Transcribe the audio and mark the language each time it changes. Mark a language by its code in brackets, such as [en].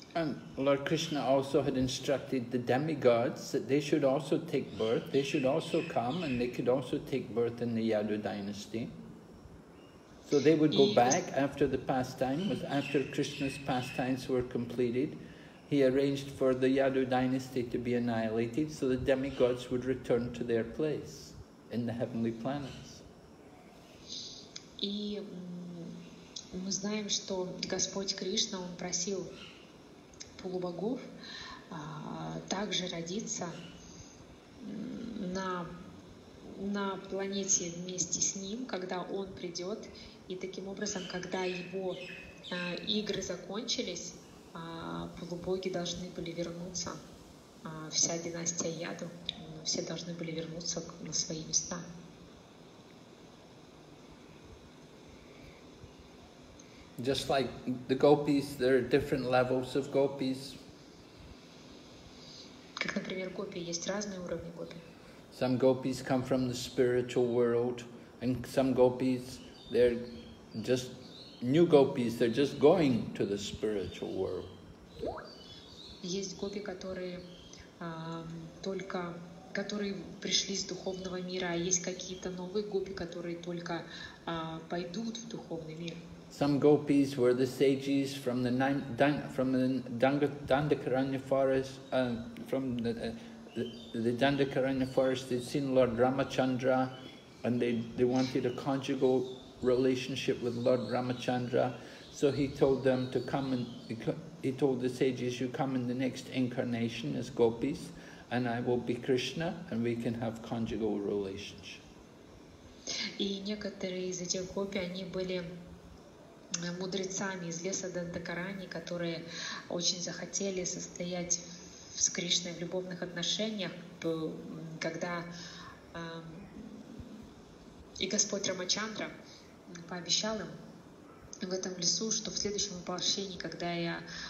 [en] And Lord Krishna also had instructed the demigods that they should also take birth, they should also come, and they could also take birth in the Yadu dynasty. So they would go back after the pastime, after Krishna's pastimes were completed. He arranged for the Yadu dynasty to be annihilated, so the demigods would return to their place in the heavenly planets. [ru] И мы знаем, что Господь Кришна, он просил полубогов также родиться на планете вместе с ним, когда он придет, и таким образом, когда его игры закончились, полубоги должны были вернуться, вся династия Яду, все должны были вернуться на свои места. [en] Just like the gopis, there are different levels of gopis. [ru] Как, например, гопи, есть разные уровни гопи. [en] Some gopis come from the spiritual world, and some gopis, they're just new gopis, they're just going to the spiritual world. [ru] Есть гопи, которые только, которые пришли из духовного мира, а есть какие-то новые гопи, которые только пойдут в духовный мир. [en] Some gopis were the sages from the Dandakaranya forest. They'd seen Lord Ramachandra, and they wanted a conjugal relationship with Lord Ramachandra. So he told them to come, and he told the sages, "You come in the next incarnation as gopis, and I will be Krishna, and we can have conjugal relationship." [ru] И некоторые из этих гопи, они были мудрецами из леса Дандакарани, которые очень захотели состоять с Кришной в любовных отношениях, когда и Господь Рамачандра пообещал им в этом лесу, что в следующем воплощении, когда я